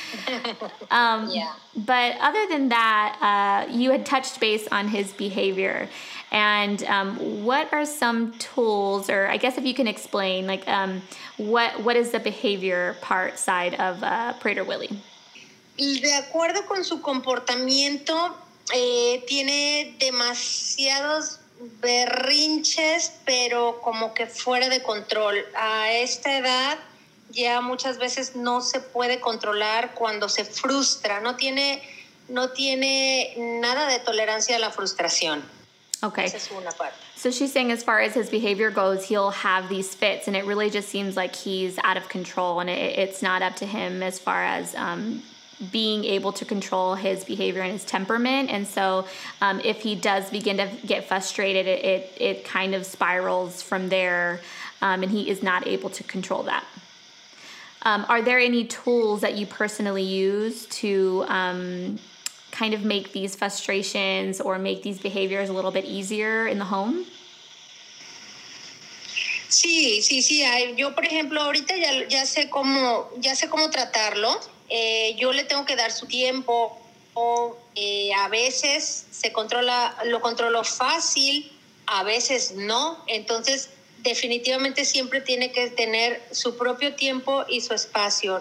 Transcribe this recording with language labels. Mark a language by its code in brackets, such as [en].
[en] yeah. But other than that, you had touched base on his behavior. And what are some tools, or I guess if you can explain, like, what is the behavior part side of Prader Willi? [es] De acuerdo con su comportamiento, tiene demasiados berrinches, pero como que fuera de control. A esta edad, ya muchas veces no se puede controlar cuando se frustra. No tiene nada de tolerancia a la frustración. [en] Okay. [es] Esa es una parte. [en] So she's saying as far as his behavior goes, he'll have these fits, and it really just seems like he's out of control, and it's not up to him as far as being able to control his behavior and his temperament. And so if he does begin to get frustrated, it kind of spirals from there, and he is not able to control that. Are there any tools that you personally use to kind of make these frustrations or make these behaviors a little bit easier in the home? [es] Sí, sí, sí. Yo, por ejemplo, ahorita ya sé cómo tratarlo. Yo le tengo que dar su tiempo. A veces se controla, lo controlo fácil, a veces no. Entonces, definitivamente siempre tiene que tener su propio tiempo y su espacio.